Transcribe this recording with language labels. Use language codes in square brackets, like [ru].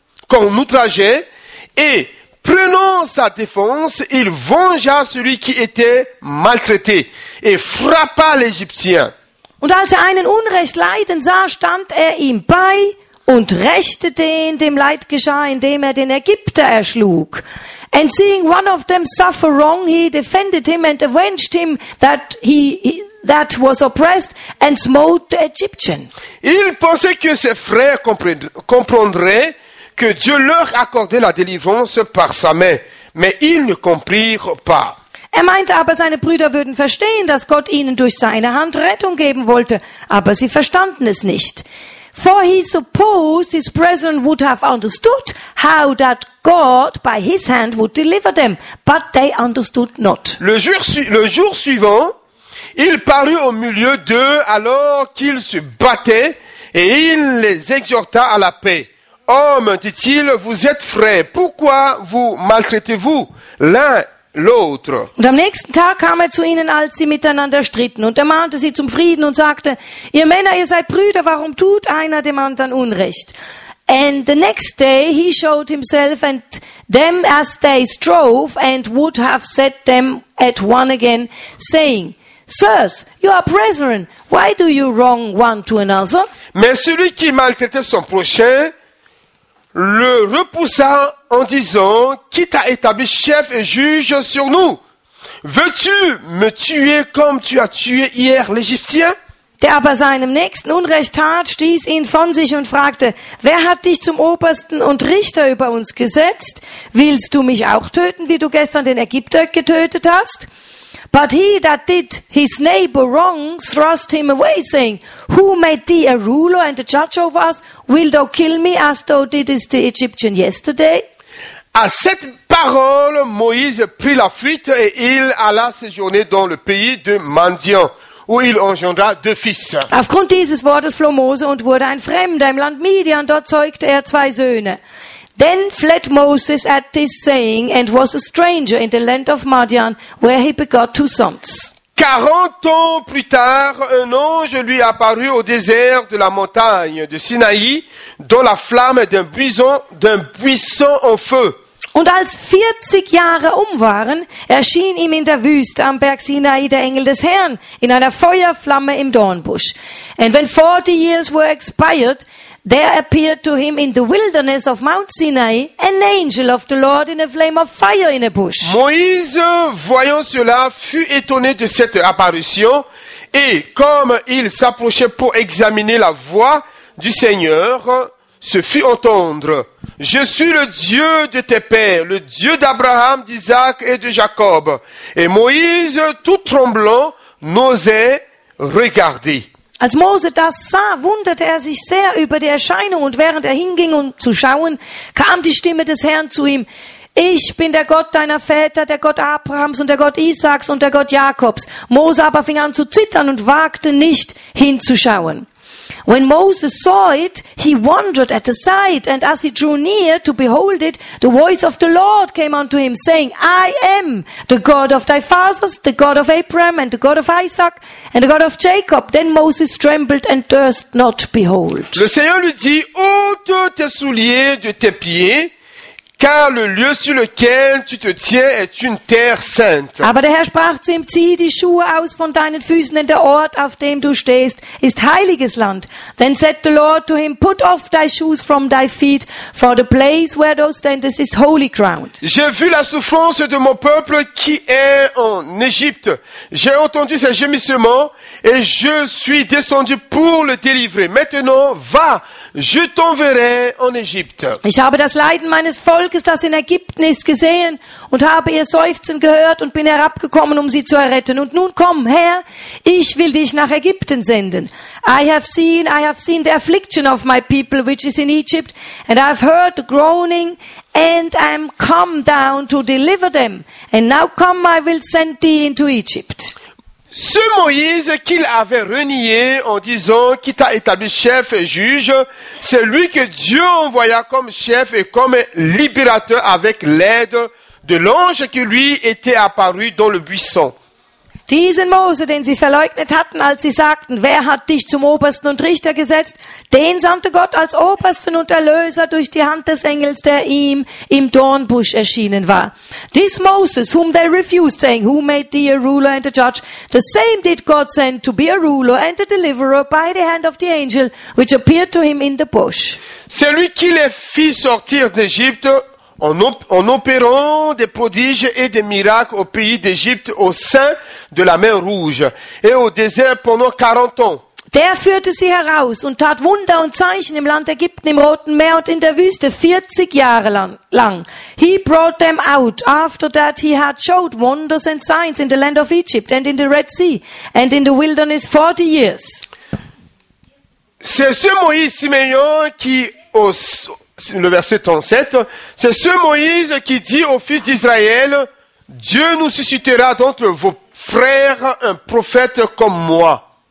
[fr] Il en vit un qu'on outrageait, et prenant sa défense, il vengea celui qui était maltraité et frappa l'Égyptien. [de] Und als er einen Unrecht leiden sah, stand er ihm bei und rächte den, dem Leid geschah, indem er den Ägypter erschlug. [en] And seeing one of them suffer wrong, he defended him and avenged him that was oppressed and smote the Egyptian. [fr] Il pensait que ses frères comprendraient que Dieu leur accordait la délivrance par sa main, mais ils ne comprirent pas. [de] Er meinte aber, seine Brüder würden verstehen, dass Gott ihnen durch seine Hand Rettung geben wollte, aber sie verstanden es nicht. [en] For he supposed his brethren would have understood how that God by his hand would deliver them, but they understood not. [fr] Le jour suivant, il parut au milieu d'eux alors qu'ils se battaient et il les exhorta à la paix. Hommes, dit-il, vous êtes frères, pourquoi vous maltraitez-vous l'un l'autre. [de] Und am nächsten Tag kam er zu ihnen, als sie miteinander stritten, und ermahnte sie zum Frieden und sagte, ihr Männer, ihr seid Brüder, warum tut einer dem anderen Unrecht? [en] And the next day he showed himself and them as they strove and would have set them at one again, saying, sirs, you are brethren, why do you wrong one to another? [fr] Mais celui qui maltraitait son prochain le repoussant en disant, « Qui t'a établi chef et juge sur nous ? Veux-tu me tuer comme tu as tué hier l'Égyptien ?» [de] Der aber seinem Nächsten Unrecht tat, stieß ihn von sich und fragte, wer hat dich zum Obersten und Richter über uns gesetzt? Willst du mich auch töten, wie du gestern den Ägypter getötet hast? [en] But he that did his neighbor wrong thrust him away, saying, who made thee a ruler and a judge over us? Will thou kill me as thou didst the Egyptian yesterday? [fr] À cette parole, Moïse prit la fuite et il alla séjourner dans le pays de Madian. Où il engendra deux fils. [de] Aufgrund dieses Wortes floh Mose und wurde ein Fremder im Land Midian. Dort zeugte er zwei Söhne. [en] Then fled Moses at this saying and was a stranger in the land of Midian, where he begot two sons. [fr] 40 ans plus tard, un ange lui apparut au désert de la montagne de Sinaï, dont la flamme d'un buisson en feu. [de] Und als 40 Jahre um waren, erschien ihm in der Wüste am Berg Sinai der Engel des Herrn in einer Feuerflamme im Dornbusch. [en] And when 40 years were expired, there appeared to him in the wilderness of Mount Sinai an angel of the Lord in a flame of fire in a bush. [fr] Moïse, voyant cela, fut étonné de cette apparition, et comme il s'approchait pour examiner la voix du Seigneur, se fit entendre. Je suis le Dieu de tes pères, le Dieu d'Abraham, d'Isaac et de Jacob. Et Moïse, tout tremblant, n'osait regarder. [de] Als Mose das sah, wunderte er sich sehr über die Erscheinung, und während er hinging, um zu schauen, kam die Stimme des Herrn zu ihm. Ich bin der Gott deiner Väter, der Gott Abrahams und der Gott Isaaks und der Gott Jakobs. Mose aber fing an zu zittern und wagte nicht hinzuschauen. [en] When Moses saw it, he wondered at the sight, and as he drew near to behold it, the voice of the Lord came unto him, saying, I am the God of thy fathers, the God of Abraham, and the God of Isaac, and the God of Jacob. Then Moses trembled and durst not behold. [fr] Le Seigneur lui dit, ôte tes souliers de tes pieds, car le lieu sur lequel tu te tiens est une terre sainte. [de] Aber der Herr sprach zu ihm, zieh die Schuhe aus von deinen Füßen, denn der Ort, auf dem du stehst, ist heiliges Land. [en] Then said the Lord to him, put off thy shoes from thy feet, for the place where thou standest is holy ground. [fr] J'ai vu la souffrance de mon peuple qui est en Égypte. J'ai entendu ses gémissements et je suis descendu pour le délivrer. Maintenant, va, je t'enverrai en Égypte. [de] Ich habe das Leiden meines Volkes, das in Ägypten ist, gesehen und habe ihr Seufzen gehört und bin herabgekommen, um sie zu erretten. Und nun komm, Herr, ich will dich nach Ägypten senden. [en] I have seen the affliction of my people, which is in Egypt, and I have heard the groaning, and I am come down to deliver them. And now come, I will send thee into Egypt. [fr] Ce Moïse qu'il avait renié en disant qui t'a établi chef et juge, c'est lui que Dieu envoya comme chef et comme libérateur avec l'aide de l'ange qui lui était apparu dans le buisson. [de] Diesen Mose, den sie verleugnet hatten, als sie sagten, wer hat dich zum Obersten und Richter gesetzt, den sandte Gott als Obersten und Erlöser durch die Hand des Engels, der ihm im Dornbusch erschienen war. [en] This Moses, whom they refused, saying, who made thee a ruler and a judge, the same did God send to be a ruler and a deliverer by the hand of the angel, which appeared to him in the bush. [fr] Celui qui les fit sortir d'Égypte, en opérant des prodiges et des miracles au pays d'Égypte, au sein de la mer Rouge et au désert pendant 40 ans. [de] Der führte sie heraus und tat Wunder und Zeichen im Land Ägypten, im Roten Meer und in der Wüste 40 Jahre lang. [en] He brought them out. After that he had showed wonders and signs in the land of Egypt and in the Red Sea and in the wilderness 40 years. [fr] C'est ce Moïse Siméon qui le verset 37, c'est ce Moïse qui dit aux fils d'Israël, Dieu nous suscitera d'entre vos frères un prophète comme moi.